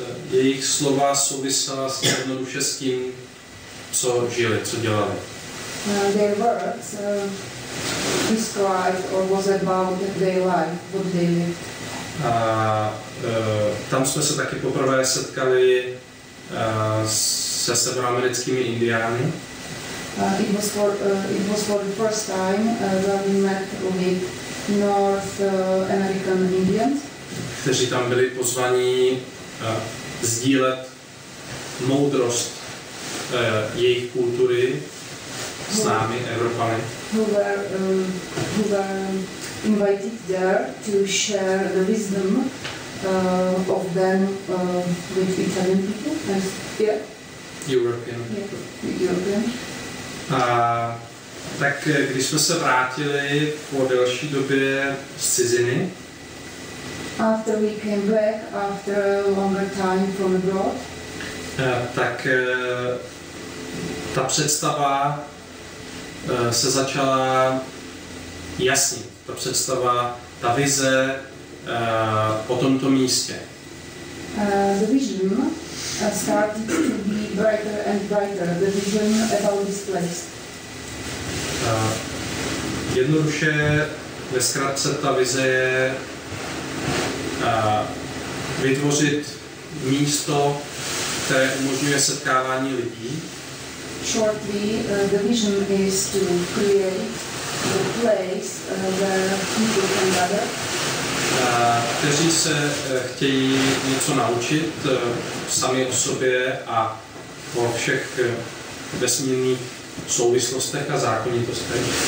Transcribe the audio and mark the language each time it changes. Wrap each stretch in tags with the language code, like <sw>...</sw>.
<cs>Jejich slova souvisela s jednoduše s tím, co žili, co dělali.</cs> <en>Their words described or was about their life, what they lived.</en> <cs>A tam jsme se taky poprvé setkali se severoamerickými indiány.</cs> <en>It was for the first time when we met with North American Indians.</en> <cs>Kteří tam byli pozvaní sdílet moudrost jejich kultury s námi, Evropany.</cs> <en>Who were invited there to share the wisdom of them with Italian people and European.</en> <cs>A tak když jsme se vrátili po delší době z ciziny.</cs> <en>After we came back after a longer time from abroad.</en> <cs>Tak ta představa se začala jasnit. Ta představa, ta vize o tomto místě.</cs> <en>The vision started to be brighter and brighter. The vision about this place.</en> <cs>Jednoduše, ve zkratce, ta vize je vytvořit místo, které umožňuje setkávání lidí.</cs> <en>Shortly, the vision is to create a place where people can gather.</en> <cs>Kteří se chtějí něco naučit sami o sobě a o všech vesmírných souvislostech a zákonitostech.</cs>